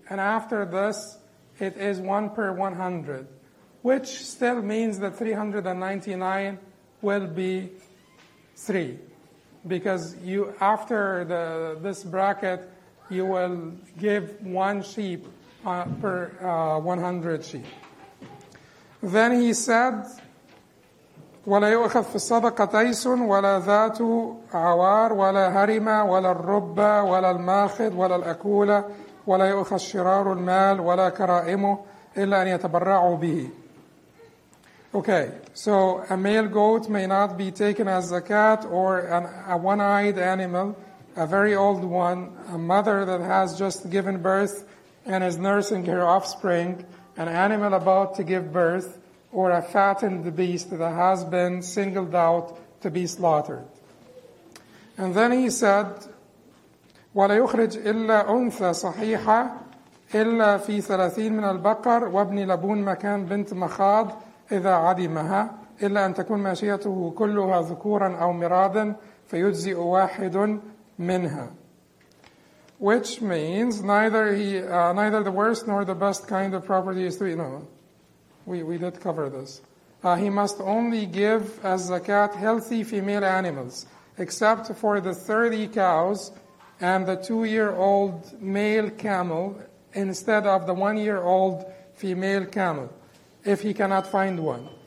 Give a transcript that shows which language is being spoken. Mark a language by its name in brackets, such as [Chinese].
[English] And after this, it is 1 per 100, which still means that 399 will be 3. Because you, after this bracket, you will give 1 sheep per 100 sheep. Then he said, [Arabic] ولا يؤخذ في الصدقة تيس ولا ذات عوار ولا هرمة ولا الربة ولا الماخذ ولا الأكولة ولا يؤخذ شرار المال ولا كرائمه إلا أن يتبرعوا به. [English] Okay, so a male goat may not be taken as zakat or a one-eyed animal, a very old one, a mother that has just given birth and is nursing her offspring, an animal about to give birth, or a fattened beast that has been singled out to be slaughtered. And then he said, [Arabic] وَلَا يُخْرِجْ إِلَّا أُنْثَ صَحِيحًا إِلَّا فِي ثَلَاثِينَ مِنَ الْبَقَرِ وَابْنِ لَبُونَ مَكَانْ بِنْتِ مَخَادْ إِذَا عَدِمَهَا إِلَّا أَنْ تَكُونَ مَشِيَتُهُ كُلُّهَا ذُكُورًا أَوْ مِرَادًا فَيُجْزِئُ وَاحِدٌ مِنْهَا. [English] Which means neither the worst nor the best kind of property is to be known. We did cover this. He must only give as zakat healthy female animals, except for the 30 cows and the 2-year-old male camel instead of the 1-year-old female camel, if he cannot find one.